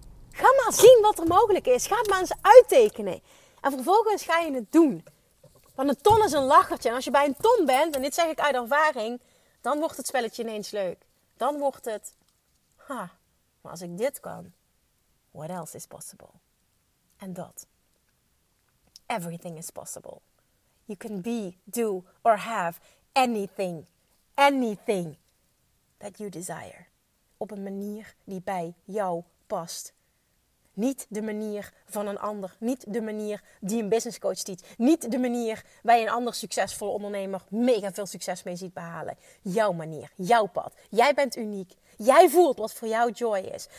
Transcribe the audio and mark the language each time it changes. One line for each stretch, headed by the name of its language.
Dutch: Ga maar zien wat er mogelijk is. Ga het maar eens uittekenen. En vervolgens ga je het doen. Want een ton is een lachertje. En als je bij een ton bent, en dit zeg ik uit ervaring, dan wordt het spelletje ineens leuk. Dan wordt het, ha, maar als ik dit kan,
English: what else is possible?
Dutch: En dat.
English: Everything is possible. You can be, do or have anything, anything that you desire.
Dutch: Op een manier die bij jou past. Niet de manier van een ander. Niet de manier die een business coach teach. Niet de manier waar je een ander succesvolle ondernemer mega veel succes mee ziet behalen. Jouw manier, jouw pad. Jij bent uniek. Jij voelt wat voor jou joy is.